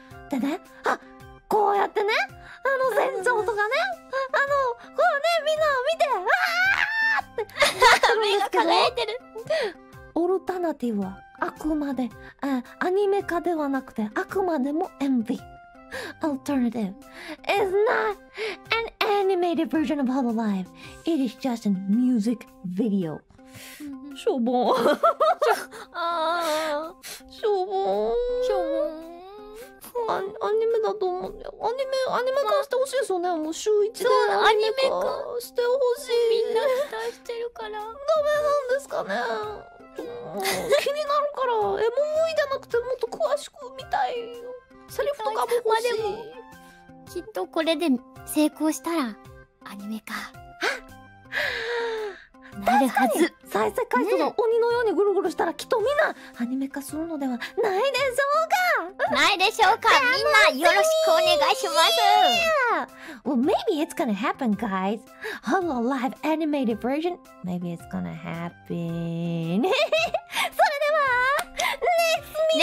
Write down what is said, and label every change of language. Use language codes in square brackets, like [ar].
[ja] でね、あ、こうやってね、あの、船長とかね、あの、ほらね、みんなを見て、わあって、目が輝いてる。オルタナティブは、あくまで、アニメ化ではなくて、あくまでも MV。 [en] Alternative is not an animated version of Hololive. It is just a music video. [ja] しょぼーん。しょぼーん。しょぼーん。アニメだと思う。アニメ化してほしいですよね。まあ、もう週一でアニメ化。アニメ化してほしい。みんな期待してるから。ダメなんですかね。気になるから、MV じゃなくてもっと詳しく見たい。セリフとかも欲しい。でもきっとこれで成功したらアニメ化なるはず。再生回数が鬼のようにぐるぐるしたらきっとみんなアニメ化するのではないでしょうか。ないでしょうか。みんなよろしくお願いします。 [en] Well, maybe it's gonna happen, guys. Hololive animated version. Maybe it's gonna happen. [ja] それでは [en] Next me!